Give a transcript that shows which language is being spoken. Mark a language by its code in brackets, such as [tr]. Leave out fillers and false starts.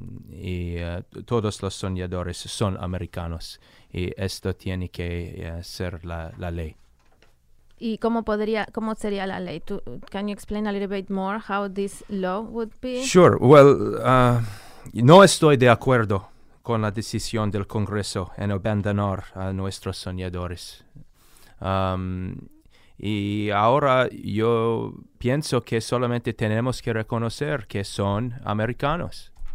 [es] Y todos los soñadores son americanos y esto tiene que ser la ley. Y cómo podría, cómo sería la ley? [en] To, can you explain a little bit more how this law would be? Sure. [es] Well, no estoy de acuerdo con la decisión del Congreso en abandonar a nuestros soñadores. Y ahora yo pienso que solamente tenemos que reconocer que son americanos.